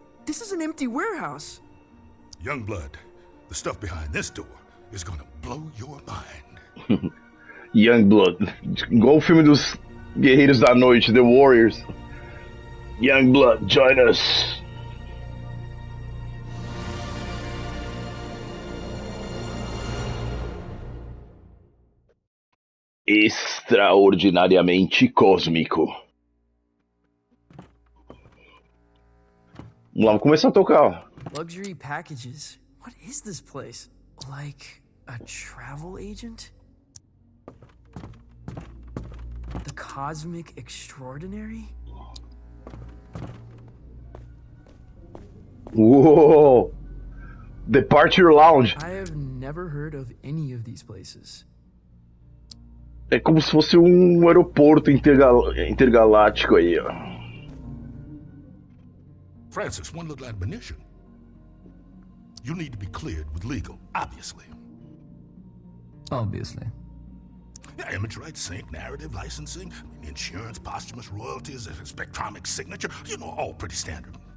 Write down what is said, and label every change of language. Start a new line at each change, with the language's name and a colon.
English: This is an empty warehouse. Young blood, the stuff behind this door is gonna blow your mind. Young blood.
Portuguese: Igual o filme dos Guerreiros da Noite, The Warriors.
English: Young blood, join us.
Portuguese: Extraordinariamente cósmico. Vamos lá, vamos começar a tocar.
English: Luxury packages. What is this place? Like a travel agent? The cosmic extraordinary? Whoa! Departure lounge. I have never heard of any of these places.
Portuguese: É como se fosse um aeroporto intergaláctico aí, ó.
English: Francis, one look like Benicio. You need to be cleared with legal, obviously. Obviously. Yeah, image rights, sync, narrative, licensing, insurance, posthumous royalties, spectromic signature, you know, all pretty standard.